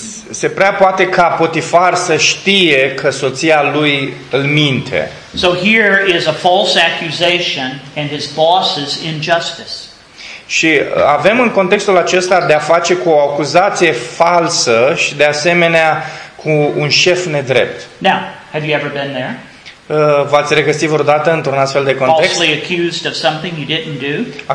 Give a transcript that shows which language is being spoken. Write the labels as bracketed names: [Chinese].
[Romanian] Se prea poate ca Potifar să știe că soția lui îl minte. [English] So here is a false accusation and his boss's injustice. [Romanian] Și avem în contextul acesta de a face cu o acuzație falsă și de asemenea cu un șef nedrept. [English] Now, have you ever been there? [Romanian] V-ați regăsit vreodată într-un astfel de context? [English] Falsely accused of something you didn't do?